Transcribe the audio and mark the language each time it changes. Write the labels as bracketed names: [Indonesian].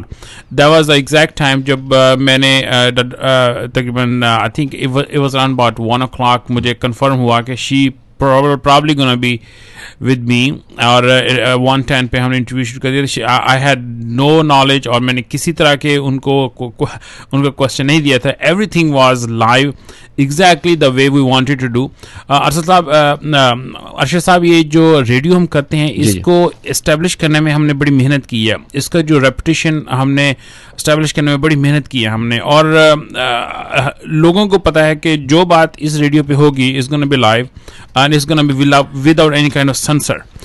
[English] that was the exact time [Urdu] جب میں نے تقریباً [English] I think it was around about 1 o'clock [Urdu] مجھے کنفرم ہوا کہ [English] She probably gonna be with me. [Urdu] اور 1:10 پہ ہم نے انٹرویو شروع کر دیا. [English] I had no knowledge [Urdu] اور میں نے کسی طرح کے ان کا کوشچن نہیں دیا تھا. [English] Everything was live exactly the way we wanted to do. [Urdu] Arshad صاحب، یہ جو ریڈیو ہم کرتے ہیں اس کو اسٹیبلش کرنے میں ہم نے بڑی محنت کی ہے. اس کا جو ریپوٹیشن ہم نے اسٹیبلش کرنے میں بڑی محنت کی ہے ہم نے. اور لوگوں کو پتا ہے کہ جو بات اس ریڈیو پہ ہوگی [English] Is gonna be live and is gonna be without any kind of censor.